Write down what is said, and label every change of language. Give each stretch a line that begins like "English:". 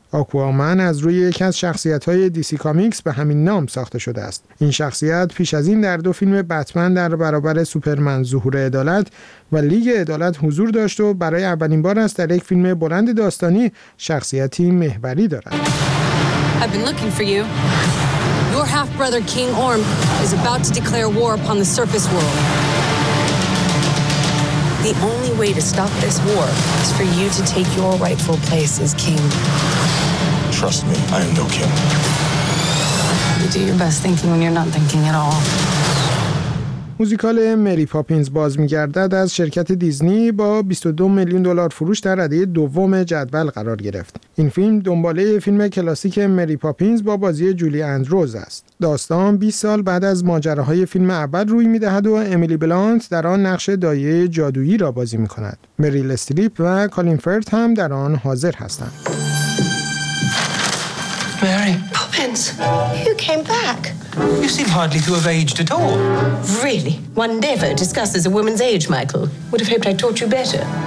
Persian: آکوامن از روی یکی از شخصیت‌های دی‌سی کامیکس به همین نام ساخته شده است. این شخصیت پیش از این در دو فیلم بتمن در برابر سوپرمن ظهور عدالت و لیگ عدالت حضور داشت و برای اولین بار است در یک فیلم بلند داستانی شخصیتی محوری دارد.
English: I've been looking for you. Your half-brother King Orm is about to declare war upon the surface world. The only way to stop this war is for you to take your rightful place as king. Trust me, I am no king. You do your best thinking when you're not thinking at all.
Persian: موزیکال مری پاپینز باز می‌گردد از شرکت دیزنی با 22 میلیون دلار فروش در رده دوم جدول قرار گرفت. این فیلم دنباله فیلم کلاسیک مری پاپینز با بازی جولی اندروز است. داستان 20 سال بعد از ماجراهای فیلم اول روی می‌دهد و امیلی بلانت در آن نقش دایه جادویی را بازی می‌کند. مریل استریپ و کالین فرت هم در آن حاضر هستند.
English: Mary Poppins, who came back? You seem hardly to have aged at all. Really? One never discusses a woman's age, Michael. Would have hoped I'd taught you better.